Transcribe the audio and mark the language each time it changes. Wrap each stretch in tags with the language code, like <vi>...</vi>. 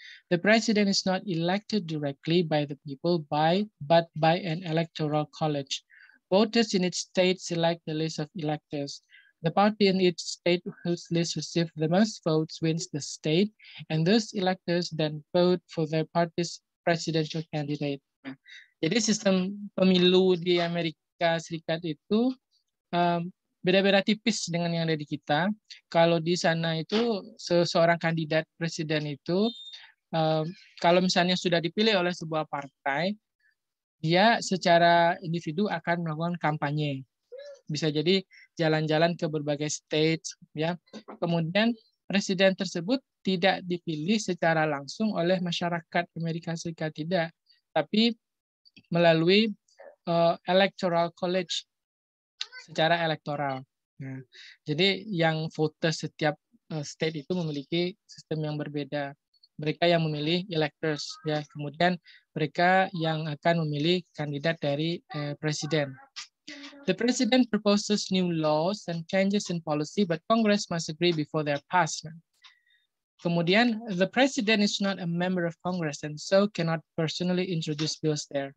<en>The president is not elected directly by the people, but by an electoral college. Voters in each state select the list of electors. The party in each state whose list receives the most votes wins the state, and those electors then vote for their party's presidential candidate.</en> <id>Jadi sistem pemilu di Amerika Serikat itu beda-beda tipis dengan yang ada di kita. Kalau di sana itu seorang kandidat presiden itu kalau misalnya sudah dipilih oleh sebuah partai, dia secara individu akan melakukan kampanye. Bisa jadi jalan-jalan ke berbagai state, ya. Kemudian presiden tersebut tidak dipilih secara langsung oleh masyarakat Amerika Serikat, tidak, tapi melalui electoral college, secara elektoral. Ya. Jadi yang voter setiap state itu memiliki sistem yang berbeda. Mereka yang memilih electors, ya. Kemudian mereka yang akan memilih kandidat dari presiden.</id> <en>The president proposes new laws and changes in policy, but Congress must agree before they are passed.</en> <id>Kemudian,</id> <en>the president is not a member of Congress and so cannot personally introduce bills there.</en>